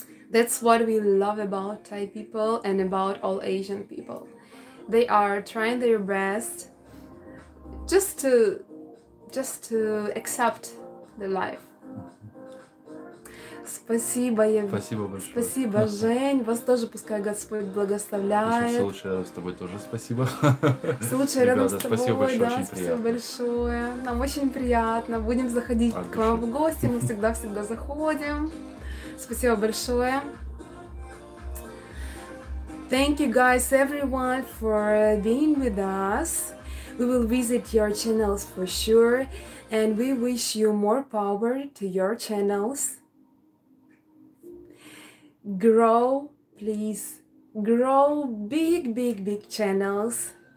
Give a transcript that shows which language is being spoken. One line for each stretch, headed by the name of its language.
English: That's what we love about Thai people and about all Asian people. They are trying their best just to accept the life.
Russian: Спасибо, я... Спасибо большое. Спасибо, Жень. Вас тоже пускай Господь благословляет. В случае рядом с тобой тоже спасибо. В случае рядом с тобой, спасибо большое, да, очень спасибо приятно. Большое. Нам очень приятно. Будем заходить к вам в гости. Мы всегда-всегда заходим. Спасибо большое.
English: Thank you guys, everyone, for being with us. We will visit your channels for sure, and we wish you more power to your channels. Grow, please. Grow big, big, big channels.